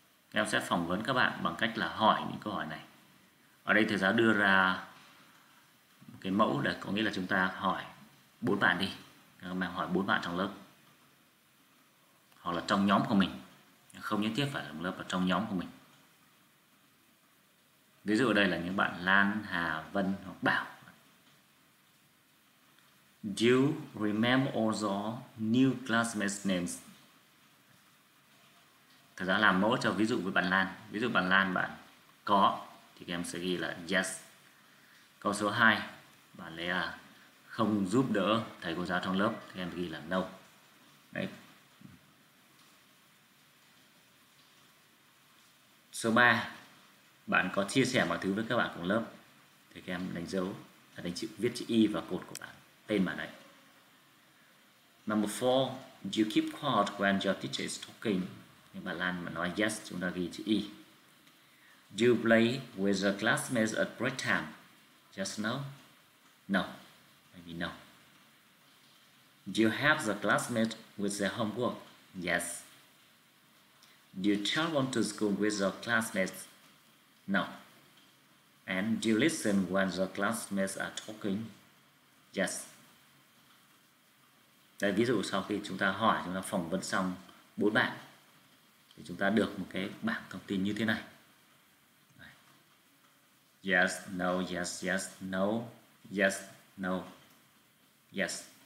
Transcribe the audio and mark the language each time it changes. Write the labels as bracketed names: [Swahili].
[Vietnamese] Các em sẽ phỏng vấn các bạn bằng cách là hỏi những câu hỏi này. Ở đây thầy giáo đưa ra một cái mẫu, để có nghĩa là chúng ta hỏi bốn bạn đi. Các em hỏi bốn bạn trong lớp, hoặc là trong nhóm của mình, không nhất thiết phải là lớp, mà trong nhóm của mình. Ví dụ ở đây là những bạn Lan, Hà, Vân hoặc Bảo. [English] Do you remember all your new classmates' names? [Vietnamese] Thầy giáo làm mẫu cho ví dụ với bạn Lan. Ví dụ bạn Lan, bạn có, thì các em sẽ ghi là yes. Câu số 2, bạn lấy là không giúp đỡ thầy cô giáo trong lớp, thì các em ghi là no. Đấy. Số 3, bạn có chia sẻ mọi thứ với các bạn cùng lớp, thì các em đánh dấu, đánh chữ, viết chữ y vào cột của bạn, tên bạn ấy. [English] Number 4, do you keep quiet when your teacher is talking? [Vietnamese] Nhưng bạn Lan mà nói yes, chúng ta ghi chữ y. [English] Do you play with your classmates at break time? Just no? No. Maybe no. Do you help the classmates with their homework? Yes. Do you travel to school with your classmates? No. And do you listen when your classmates are talking? Yes. [Vietnamese] Đây, ví dụ sau khi chúng ta hỏi, chúng ta phỏng vấn xong bốn bạn thì chúng ta được một cái bảng thông tin như thế này. [English] Yes, no, yes, yes, no, yes, no, yes.